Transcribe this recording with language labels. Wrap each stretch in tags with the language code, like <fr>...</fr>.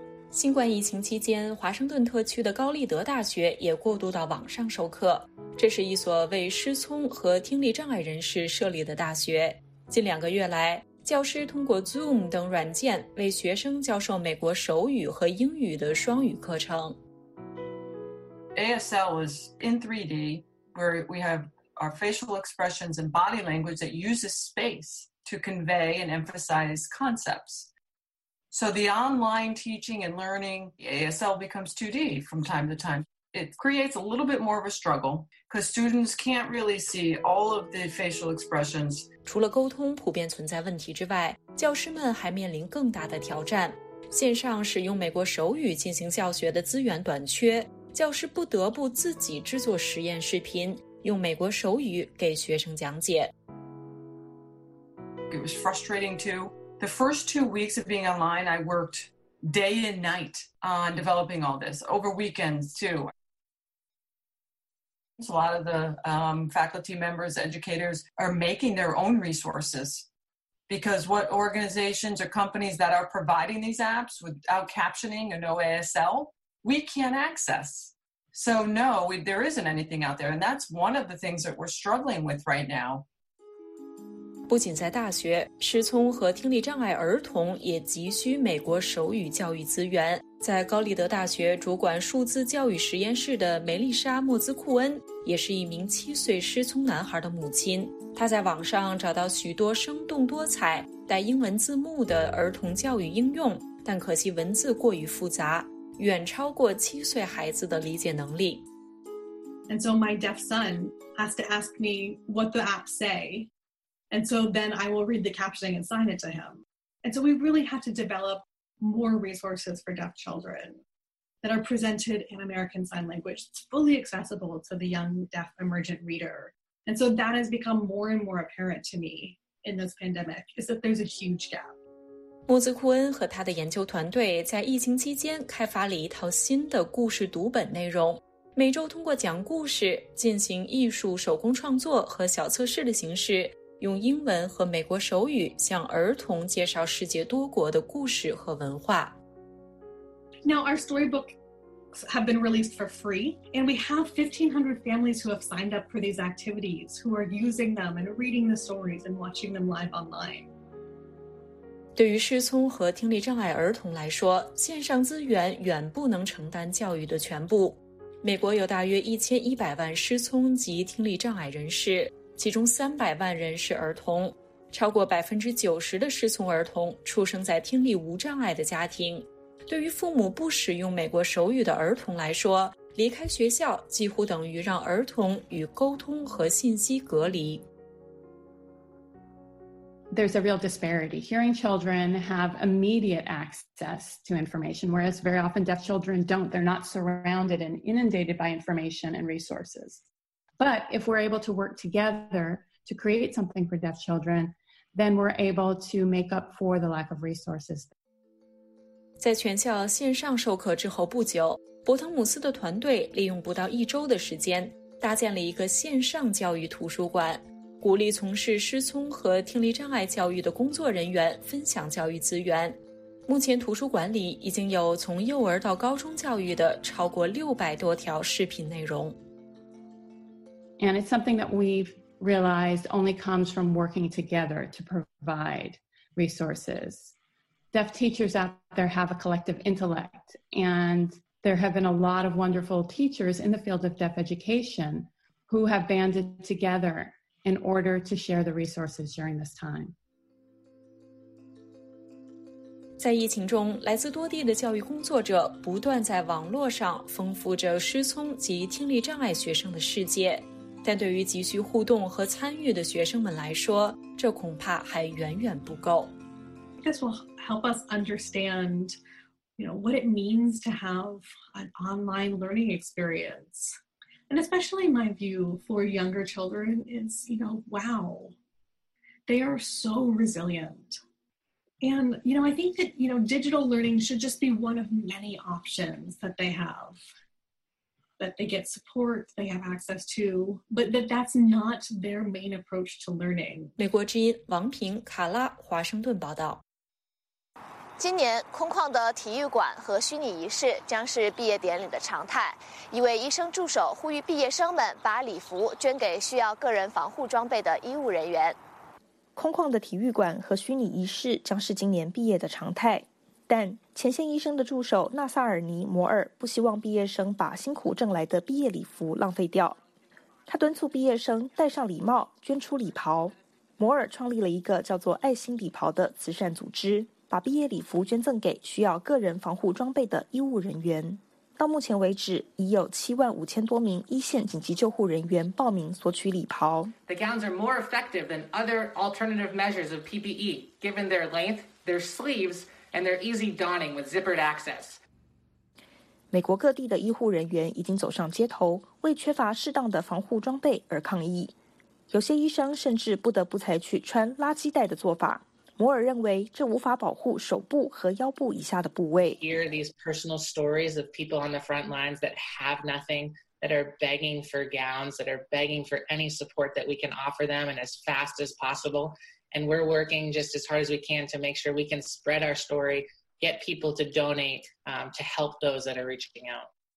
<zh>新冠疫情期间，华盛顿特区的高利德大学也过渡到网上授课，这是一所为失聪和听力障碍人士设立的大学。近两个月来，教师通过 Zoom 等软件为学生教授美国手语和英语的双语课程。</zh> <en>ASL is in 3D, where we have our facial expressions and body language that uses space to convey and emphasize concepts. So the online teaching and learning, ASL becomes 2D from time to time. It creates a little bit more of a struggle because students can't really see all of the facial expressions.</en> <zh>除了沟通普遍存在问题之外，教师们还面临更大的挑战。线上使用美国手语进行教学的资源短缺，教师不得不自己制作实验视频，用美国手语给学生讲解。</zh> <en>It was frustrating too. The first 2 weeks of being online, I worked day and night on developing all this, over weekends too. A lot of the faculty members, educators, are making their own resources. Because what organizations or companies that are providing these apps without captioning and no ASL, we can't access. So no, there isn't anything out there. And that's one of the things that we're struggling with right now.</en> <zh>不仅在大学，失聪和听力障碍儿童也急需美国手语教育资源。在高利德大学主管数字教育实验室的梅丽莎·莫兹库恩也是一名7岁失聪男孩的母亲。她在网上找到许多生动多彩、带英文字幕的儿童教育应用，但可惜文字过于复杂，远超过7岁孩子的理解能力。</zh> <en>And so my deaf son has to ask me what the app say, and so then I will read the captioning and sign it to him. And so we really have to develop.More resources for deaf children. that are presented in American Sign Language. It's fully accessible to the young deaf emergent reader. And so that has become more and more apparent to me in this pandemic, is that there's a huge gap.</en> <zh>莫兹库恩和他的研究团队在疫情期间开发了一套新的故事读本内容，每周通过讲故事、进行艺术手工创作和小测试的形式，用英文和美国手语向儿童介绍世界多国的故事和文化。</zh> <en>Now our storybooks have been released for free, and we have 1,500 families who have signed up for these activities, who are using them and reading the stories and watching them live online.</en> <zh>对于失聪和听力障碍儿童来说，线上资源远不能承担教育的全部。美国有大约1100万失聪及听力障碍人士，其中300万人是儿童。超过 90% 的失聪儿童出生在听力无障碍的家庭。对于父母不使用美国手语的儿童来说，离开学校几乎等于让儿童与沟通和信息隔离。</zh> <en>There's a real disparity. Hearing children have immediate access to information, whereas very often deaf children don't. They're not surrounded and inundated by information and resources. But if we're able to work together to create something for deaf children, then we're able to make up for the lack of resources.</en> <zh>在全校线上授课之后不久，伯腾姆斯的团队利用不到一周的时间，搭建了一个线上教育图书馆。鼓励从事失聪和听力障碍教育的工作人员分享教育资源。目前图书馆里已经有从幼儿到高中教育的超过600多条视频内容。</zh> <en>And it's something that we've realized only comes from working together to provide resources. Deaf teachers out there have a collective intellect, and there have been a lot of wonderful teachers in the field of deaf education who have banded together. In order to share the resources during this time.</en> <zh>在疫情中，来自多地的教育工作者不断在网络上丰富着失聪及听力障碍学生的世界，但对于急需互动和参与的学生们来说，这恐怕还远远不够。</zh> <en>This will help us understand, you know, what it means to have an online learning experience. And especially my view for younger children is, you know, wow, they are so resilient. And, you know, I think that, you know, digital learning should just be one of many options that they have, that they get support, they have access to, but that's not their main approach to learning.</en> <zh>美国之音王平卡拉华盛顿报道。今年空旷的体育馆和虚拟仪式将是毕业典礼的常态。一位医生助手呼吁毕业生们把礼服捐给需要个人防护装备的医务人员。空旷的体育馆和虚拟仪式将是今年毕业的常态，但前线医生的助手纳萨尔尼摩尔不希望毕业生把辛苦挣来的毕业礼服浪费掉。他敦促毕业生戴上礼帽，捐出礼袍。摩尔创立了一个叫做爱心礼袍的慈善组织，把毕业礼服捐赠给需要个人防护装备的医务人员。到目前为止，已有75,000多名一线紧急救护人员报名索取礼袍。</zh> <en>The gowns are more effective than other alternative measures of PPE, given their length, their sleeves, and their easy donning with zippered access.</en> <zh>美国各地的医护人员已经走上街头，为缺乏适当的防护装备而抗议。有些医生甚至不得不采取穿垃圾袋的做法。摩尔认为这无法保护手部和腰部以下的部位。</zh> <en>Hear these personal stories of people on the front lines that have nothing, that are begging for gowns, that are begging for any support that we can offer them and as fast as possible. And we're working just as hard as we can to make sure we can spread our story, get people to donate, to help those that are reaching out.</en>